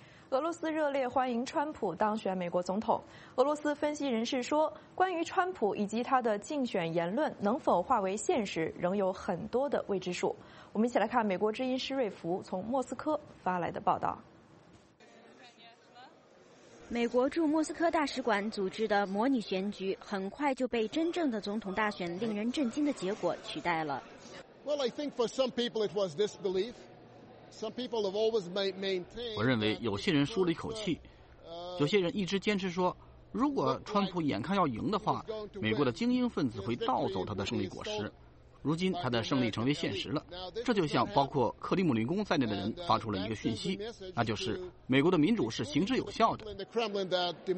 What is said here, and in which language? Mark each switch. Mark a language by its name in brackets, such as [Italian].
[Chinese] 俄罗斯热烈欢迎川普当选美国总统。俄罗斯分析人士说，关于川普以及他的竞选言论能否化为现实，仍有很多的未知数。我们一起来看美国之音施瑞福从莫斯科发来的报道。美国驻莫斯科大使馆组织的模拟选举很快就被真正的总统大选令人震惊的结果取代了。 [English] Well, I think for some people it was disbelief. [Chinese] 我认为有些人舒了一口气，有些人一直坚持说，如果川普眼看要赢的话，美国的精英分子会盗走他的胜利果实。如今他的胜利成为现实了，这就像包括克里姆林宫在内的人发出了一个讯息，那就是美国的民主是行之有效的。